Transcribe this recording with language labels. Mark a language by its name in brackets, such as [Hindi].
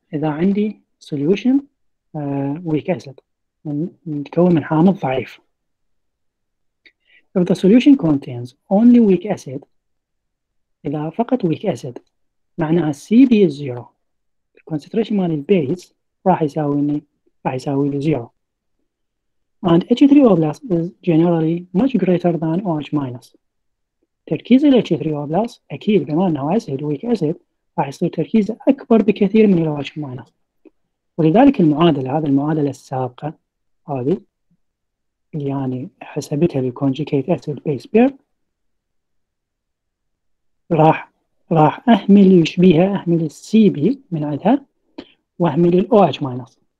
[Arabic] إذا عندي سوليوشن weak acid متكون من حامض ضعيف. [English] If the solution contains only weak acid، [Arabic] إذا فقط [English] weak acid [Arabic] معناها [English] CB is zero. The concentration [Arabic] مال البيز راح يساوي إني راح يساوي zero. [English] And H3O plus is generally much greater than OH minus. [Arabic] تركيز ال H3O plus أكيد بما أنه أسيد ويك أسيد راح يصير تركيزه أكبر بكثير من ال OH minus. ولذلك المعادلة، هذه المعادلة السابقة هذه اللي يعني حسبتها لل [English] conjugate acid base pair، [Arabic] راح أهمل يشبيها، أهمل ال CB من عندها وأهمل ال OH minus.